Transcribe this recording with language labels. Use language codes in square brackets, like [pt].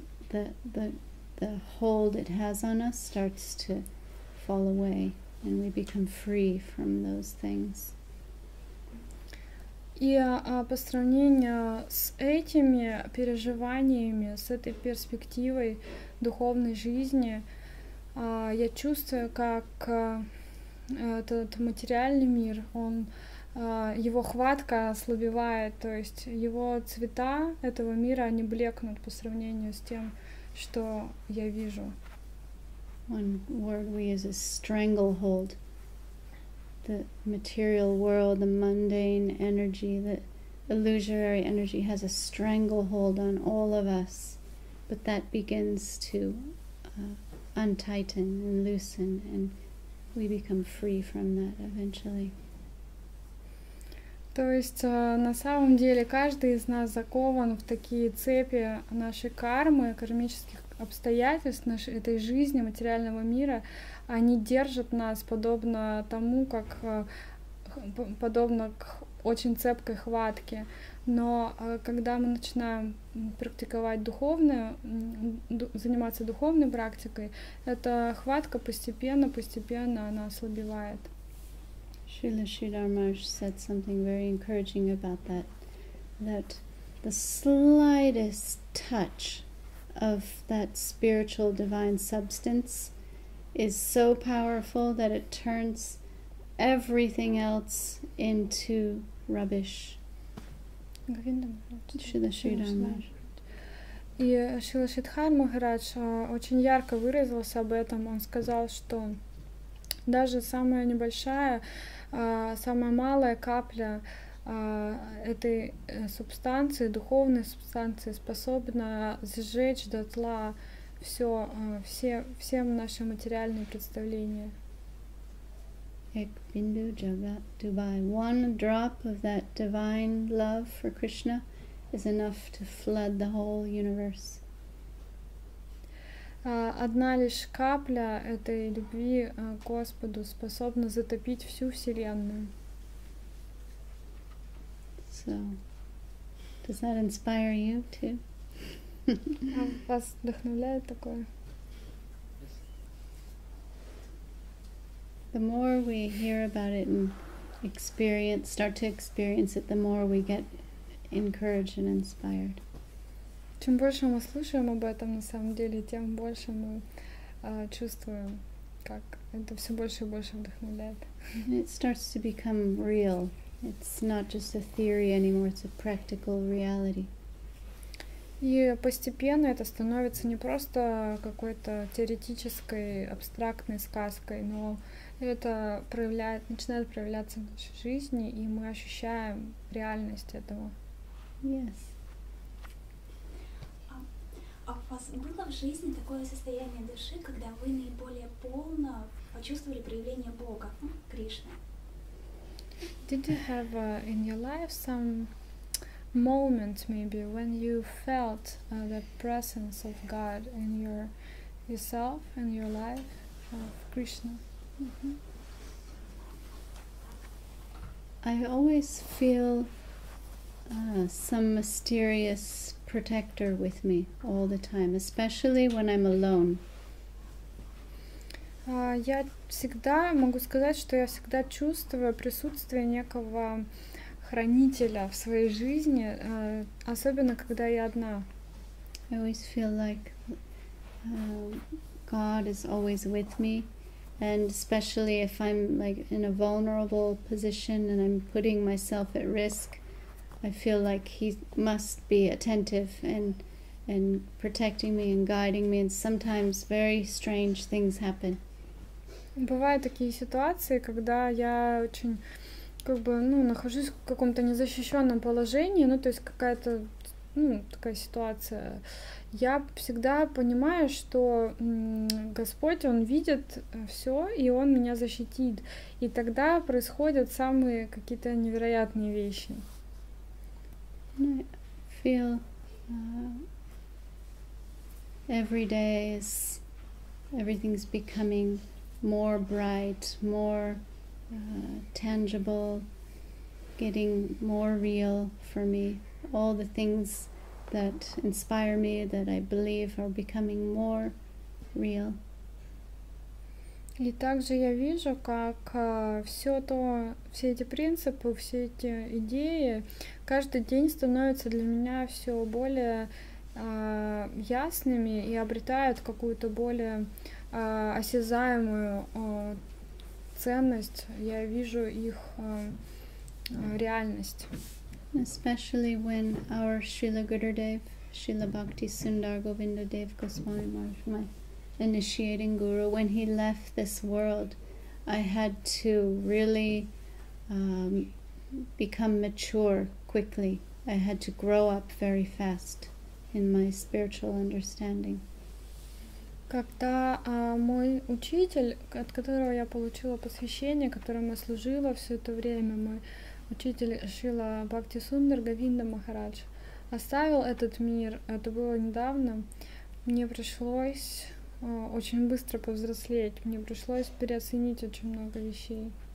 [en] The hold it has on us starts to fall away, and we become free from those things. [ru] И по сравнению с этими переживаниями, с этой перспективой духовной жизни, я чувствую, как этот материальный мир, он, его хватка ослабевает, то есть его цвета этого мира, они блекнут по сравнению с тем, что я вижу. [en] One word we use is stranglehold. The material world, the mundane energy, the illusory energy has a stranglehold on all of us, but that begins to untighten and loosen, and we become free from that eventually. [ru] То есть на самом деле каждый из нас закован в такие цепи нашей кармы, кармических обстоятельств нашей этой жизни, материального мира. Они держат нас подобно тому, как подобно к очень цепкой хватке. Но когда мы начинаем практиковать духовное, заниматься духовной практикой, эта хватка постепенно она ослабевает. [en] Srila Sridhar Maharaj said something very encouraging about that, that the slightest touch of that spiritual divine substance is so powerful that it turns everything else into rubbish. Srila Sridhar Maharaj. [ru] И Srila Sridhar Maharaj очень ярко выразился об этом. Он сказал, что даже самая небольшая, самая малая капля этой субстанции, духовной субстанции, способна сжечь дотла все, все наши материальные представления. [bn] Ek bindu jagat Dubai. [en] One drop of that divine love for Krishna is enough to flood the whole universe. [ru] Одна лишь капля этой любви к Господу способна затопить всю Вселенную. [en] So, does that inspire you too? [ru] Вас вдохновляет такое? [en] The more we hear about it and experience, start to experience it, the more we get encouraged and inspired. [ru] Чем больше мы слушаем об этом, на самом деле, тем больше мы чувствуем, как это все больше и больше вдохновляет. [en] It starts to become real. It's not just a theory anymore, it's a practical reality. [ru] И постепенно это становится не просто какой-то теоретической, абстрактной сказкой, но это проявляет, начинает проявляться в нашей жизни, и мы ощущаем реальность этого. [en] Yes. [ru] А у вас было в жизни такое состояние души, когда вы наиболее полно почувствовали проявление Бога, Кришны? [en] Did you have in your life some moment maybe when you felt the presence of God in your yourself and your life of Krishna? I always feel some mysterious protector with me all the time, especially when I'm alone. [ru] Я всегда могу сказать, что я всегда чувствую присутствие некого хранителя в своей жизни, особенно когда я одна. [en] I always feel like God is always with me, and especially if I'm like in a vulnerable position and I'm putting myself at risk, I feel like he must be attentive and protecting me and guiding me, and sometimes very strange things happen. [ru] Бывают такие ситуации, когда я очень как бы, ну, нахожусь в каком-то незащищённом положении, ну, то есть какая-то, ну, такая ситуация. Я всегда понимаю, что Господь, Он видит всё, и Он меня защитит. И тогда происходят самые какие-то невероятные вещи. [en] I feel every day is everything's becoming more bright, more tangible, getting more real for me. All the things that inspire me, that I believe, are becoming more real. [ru] И также я вижу, как все эти принципы, все эти идеи, каждый день становятся для меня все более ясными и обретают какую-то более осязаемую ценность. Я вижу их реальность. [en] Especially when our Srila Gurudev, Srila Bhakti Sundar Govinda Dev Goswami Maharaj, my initiating guru, when he left this world, I had to really become mature quickly. I had to grow up very fast in my spiritual understanding. [ru] Когда мой учитель, от которого я получила посвящение, которому я служила все это время, мой учитель Шрила Бхакти Сундар Говинда Махарадж, оставил этот мир, это было недавно, мне пришлось очень быстро повзрослеть, мне пришлось переоценить очень много вещей.